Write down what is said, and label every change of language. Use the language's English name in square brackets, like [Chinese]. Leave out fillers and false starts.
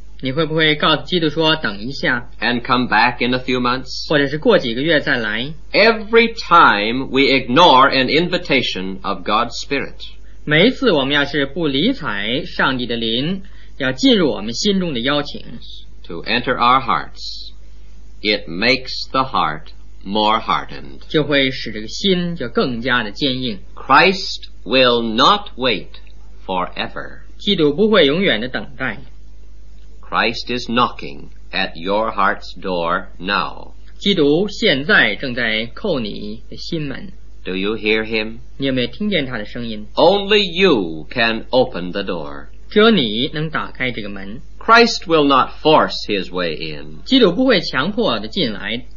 [Chinese] 你会不会告诉基督说等一下? [English] And come back in a few months? [Chinese] 或者是过几个月再来? [English] Every time we ignore an invitation of God's Spirit, [Chinese] 每一次我们要是不理睬上帝的灵要进入我们心中的邀请。 [English] To enter our hearts, it makes the heart more hardened. [Chinese] 就会使这个心就更加的坚硬。 [English] Christ will not wait forever. [Chinese] 基督不会永远的等待。 [English] Christ is knocking at your heart's door now. [Chinese] 基督现在正在叩你的心门。 [English] Do you hear him? [Chinese] 你有没有听见他的声音? [English] Only you can open the door. [Chinese] 只有你能打开这个门。 [English] Christ will not force his way in. [Chinese] 基督不会强迫地进来。